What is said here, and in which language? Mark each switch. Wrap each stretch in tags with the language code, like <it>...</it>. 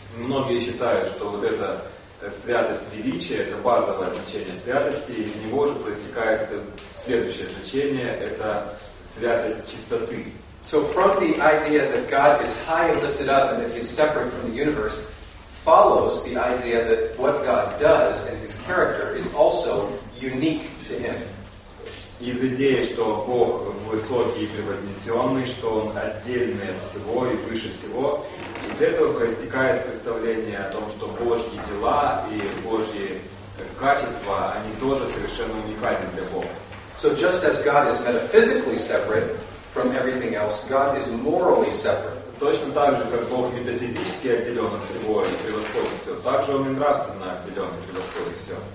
<ru>Многие считают, что вот это святость величия, это базовое значение святости, из него же проистекает следующее значение, это святость чистоты.</ru> <en>So from the idea that God is high and lifted up and that he is separate from the universe, follows the idea that what God does and his character is also unique to him.</en> <ru>Из идеи, что Бог высокий и превознесенный, что Он отдельный от всего и выше всего, из этого проистекает представление о том, что Божьи дела и Божьи качества, они тоже совершенно уникальны для Бога.</ru> <en>So just as God is metaphysically separate from everything else, God is morally separate.</en> <ru>Точно так же, как Бог метафизически отделен от всего и превосходит все, так же Он и нравственно отделен и превосходит все.</ru>